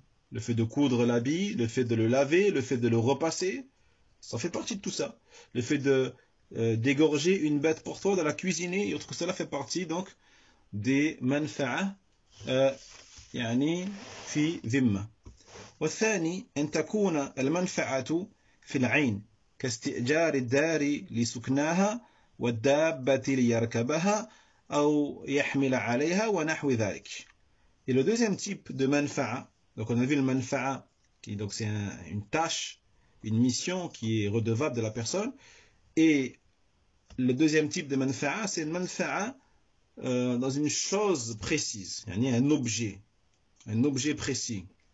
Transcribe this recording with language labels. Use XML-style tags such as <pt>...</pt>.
<fr>Le fait de coudre l'habit, le fait de le laver, le fait de le repasser, ça fait partie de tout ça. Le fait de dégorger une bête pour toi, de la cuisiner, et autre que cela fait partie donc des</fr> <ar>manfa'a yani fi dhimma. والثاني أن تكون المنفعة في العين كاستئجار الدار لسكناها والدابة ليركبها أو يحمل عليها ونحو ذلك.</ar> <fr>Et le deuxième type de manfa'a, donc on a vu le manfa'a, qui donc c'est une tâche, une mission qui est redevable de la personne. Et le deuxième type de manfa'a, c'est une manfa'a dans une chose précise, yani un objet précis.</fr>